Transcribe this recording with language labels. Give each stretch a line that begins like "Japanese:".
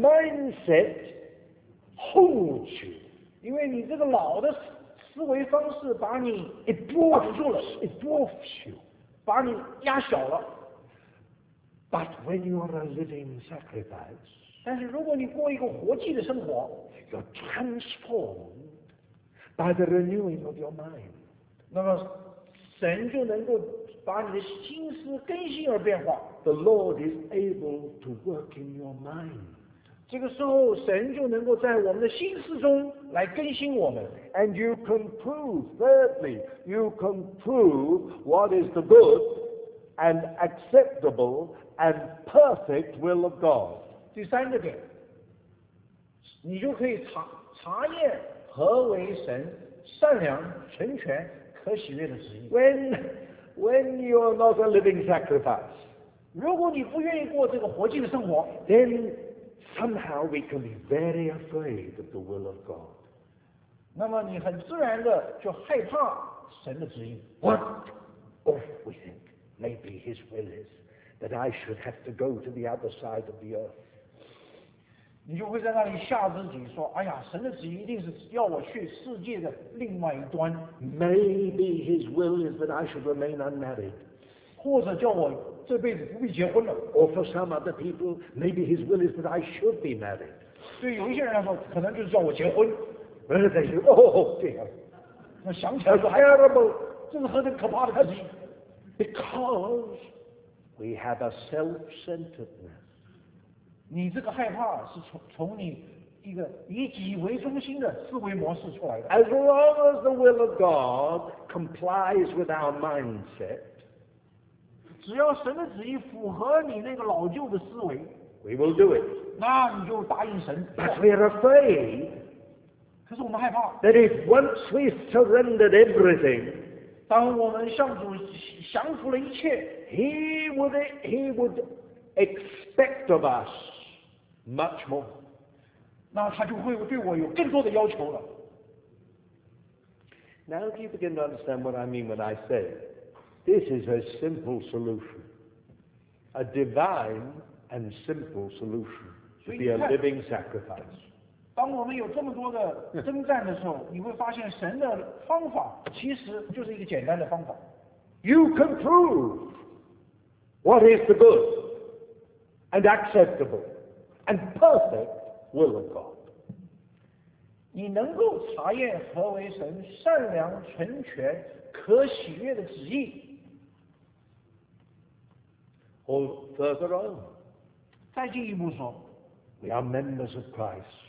English: That mindset holds you.
Chinese: 因为你这个老的思维方式把你绑住了
English: it dwarfs you.
Chinese: 把你压小了
English: But when you are a living sacrifice,
Chinese: 但是如果你过一个活祭的生活
English: you're transformed by the renewing of your mind.
Chinese: 那么神就能够把你的心思更新而变化
English: The Lord is able to work in your mind.
Chinese: 这个时候神就能够在我们的心思中来更新我们。
English: And you can prove, thirdly, you can prove what is the good and acceptable and perfect will of God.
Chinese: 第三个点，你就可以 查验何为神善良、成全、可喜悦的旨意。
English: When you are not a living sacrifice,
Chinese: 如果你不愿意过这个活祭的生活
English: then,Somehow we can be very afraid of the will of God.
Chinese: 那么你很自然的就害怕神的旨意。
English: What if we think maybe His will is that I should have to go to the other side of the earth?
Chinese: 你就会在那里吓自己说，哎呀，神的旨意一定是要我去世界的另外一端。
English: Maybe His will is that I should remain unmarried.
Chinese: 或者叫我这辈子不必结婚了。
English: Or for some other people, maybe His will is that I should be married.
Chinese: 对有一些人来说，可能就是叫我结婚。
English: Well, they say, oh, dear.
Chinese: 那想起来说
English: That's terrible.
Chinese: 这是很可怕的事情。
English: Because we have a self-centeredness.
Chinese: 你这个害怕是从你一个以己为中心的思维模式出来的。
English: As long as the will of God complies with our mindset,
Chinese: 只要神的旨意符合你那个老旧的思维
English: We will do it.
Chinese: 那你就答应神
English: But we are afraid.
Chinese: 可是我们害怕。
English: That if once we surrendered everything,
Chinese: 当我们向主降服了一切
English: he would expect of us much more.
Chinese: 那他就会对我有更多的要求了。
English: Now if you begin to understand what I mean when I say this is a simple solution, a divine and simple solution to be a living sacrifice.
Chinese: 当我们有这么多的征战的时候，你会发现神的方法其实就是一个简单的方法。
English: You can prove what is the good and acceptable and perfect will of God.
Chinese: 你能够查验何为神善良、纯全、可喜悦的旨意。
English: Or further on,
Chinese: 再进一步说
English: ，We are members of Christ.